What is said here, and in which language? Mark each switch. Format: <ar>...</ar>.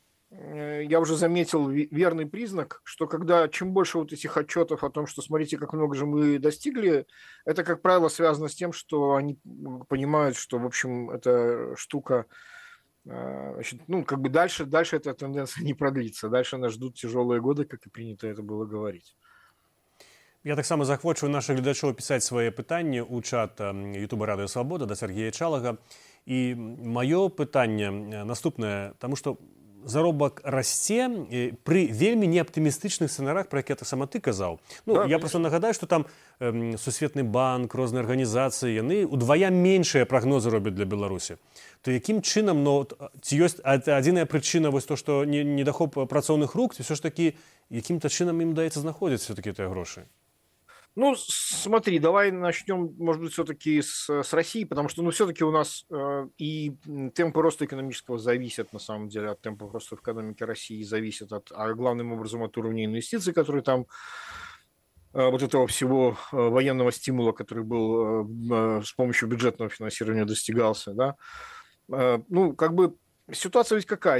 <ru>я уже заметил верный признак, что когда чем больше вот этих отчетов о том, что смотрите, как много же мы достигли, это, как правило, связано с тем, что они понимают, что, в общем, эта штука, значит, ну, как бы дальше эта тенденция не продлится, дальше нас ждут тяжелые годы, как и принято это было говорить.</ru> <be>Я таксама захвочу наших гледачоў пісаць свае пытанні ў чат Ютуба «Радыё Свабода» да Сергія Чалага. І маё пытанне наступнае, таму што заробак расце пры вельмі неаптымістычных сценарах, пра які я таксама ты казаў. Ну, да, я просто нагадаю, што там Сусветны банк, розныя арганізацыі, яны ўдвая меншыя прагнозы робяць для Беларусі. То якім чынам, ну, ці ёсць адзіная прычына, вось то, што недахоп працоўных рук, ці ўсё ж такі, якім-то чынам ім даецца знаходзіць всё-такі тыя грошы?</be> <ru>Ну, смотри, давай начнем, может быть, все-таки с России, потому что, ну, все-таки у нас и темпы роста экономического зависят, на самом деле, от темпов роста в экономике России, зависят от, а главным образом, от уровня инвестиций, которые там, вот этого всего военного стимула, который был с помощью бюджетного финансирования достигался, да. Ну, как бы, Ситуация ведь какая?</ru>